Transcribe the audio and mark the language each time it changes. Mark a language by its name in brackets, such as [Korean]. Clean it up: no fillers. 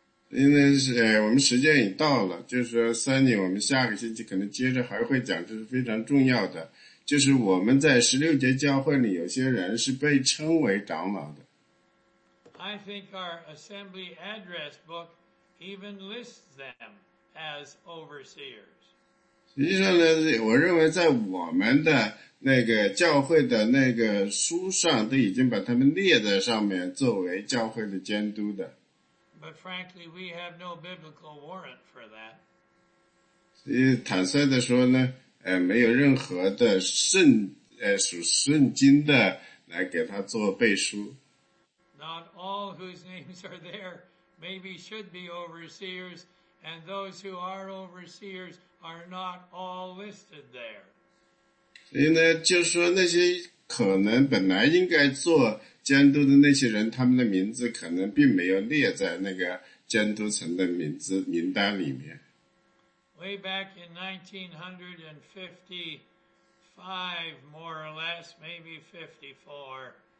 [Chinese] 因为我们时间已到了，就是 Sonny, 我们下个星期可能接着还会讲，这是非常重要的。就是我们在十六节教会里有些人是被称为长老的。 [English] I think our assembly address book even lists them as overseers. [Chinese] 实际上呢，我认为在我们的那个教会的那个书上都已经把他们列在上面作为教会的监督的。 [English] But frankly, we have no biblical warrant for that. [Chinese] 所以坦率地说呢，没有任何的圣属圣经的来给他做背书。 [English] Not all whose names are there maybe should be overseers, and those who are overseers are not all listed there. [Chinese] 所以呢，就是说那些可能本来应该做监督的那些人，他们的名字可能并没有列在那个监督层的名字名单里面。 [English] Way back in 1955, more or less, maybe 54.